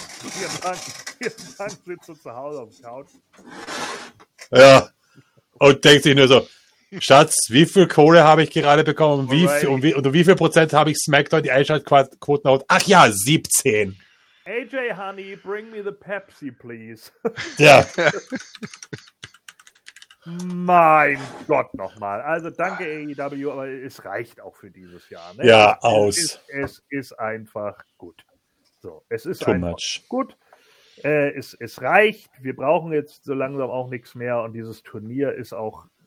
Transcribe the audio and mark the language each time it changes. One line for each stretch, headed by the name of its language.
German: CM Punk sitzt so zu Hause auf dem Couch. Ja. Und denkt sich nur so, Schatz, wie viel Kohle habe ich gerade bekommen? Und wie viel Prozent habe ich SmackDown die Einschaltquoten erhöht? Ach ja, 17.
English: AJ, honey, bring me the Pepsi, please.
German: Ja. Mein Gott, nochmal. Also danke, AEW, aber es reicht auch für dieses Jahr. Ne? Ja, aus. Es ist einfach gut. So, es ist too einfach much. Gut. Es reicht. Wir brauchen jetzt so langsam auch nichts mehr und dieses Turnier ist auch